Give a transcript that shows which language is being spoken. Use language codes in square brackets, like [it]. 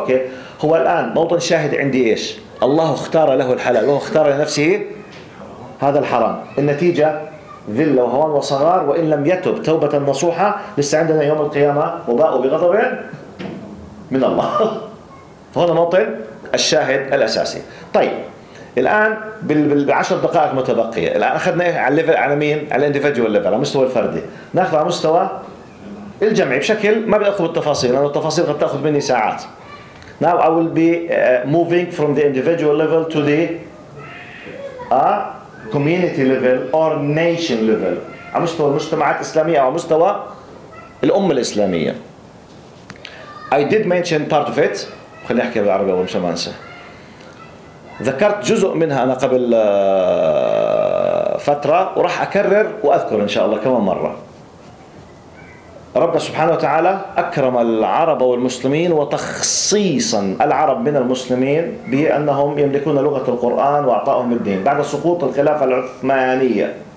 [ar] أوكي هو الآن موطن شاهد عندي إيش الله اختار له الحلال وهو اختار لنفسه هذا الحرام النتيجة ذلة وهوان وصغار وإن لم يتب توبة نصوحة لسه عندنا يوم القيامة وباء بغضب من الله. فهنا موطن الشاهد الأساسي. طيب الآن بالعشر دقائق متبقية الآن أخذنا إيه على الليفل على مين على [en] الانديفيديوال ليفل [ar] على مستوى الفردي نأخذ على مستوى الجمعي بشكل ما بدي أخذ التفاصيل لأن التفاصيل قد تأخذ مني ساعات. [en] Now I will be moving from the individual level to the community level or nation level [ar] على مستوى المجتمعات الإسلامية أو مستوى الأمة الإسلامية. [en] I did mention part of it. [ar] خليني أحكي بالعربي أول مشان ما أنسى. ذكرت جزء منها أنا قبل فترة وراح أكرر وأذكر إن شاء الله كمان مرة. ربنا سبحانه وتعالى أكرم العرب والمسلمين وتخصيصا العرب من المسلمين بأنهم يملكون لغة القرآن وأعطاهم الدين بعد سقوط الخلافة العثمانية.